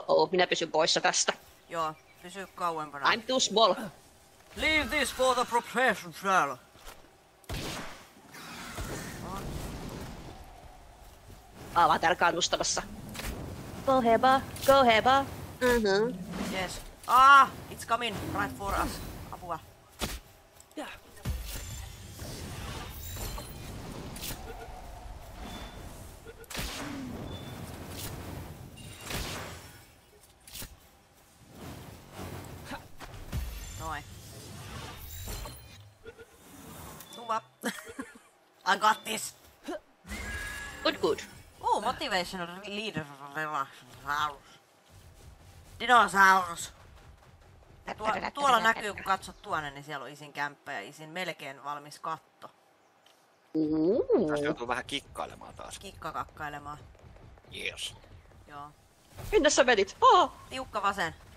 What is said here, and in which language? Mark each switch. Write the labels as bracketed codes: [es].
[fi] Minä pysyn poissa tästä. Joo, pysy kauempana. [en] I'm too small. Leave this for the professional. [fi] Mä oon täällä kannustamassa. [en] Go heba. Mhm. Yes. Ah, it's coming right for us. [fi] Apua. Yeah. Noi. [en] Tuva. I got this. Good. Oh, motivation leader relax. [fi] Dinosaurus! Tuolla näkyy, kun katsot tuonne, niin siellä on isin kämppä ja isin melkein valmis katto. Tästä joutuu vähän kikkailemaan taas. Kikkakakkailemaan. [en] Yes. [fi] Joo. Minne sä vedit? Tiukka vasen.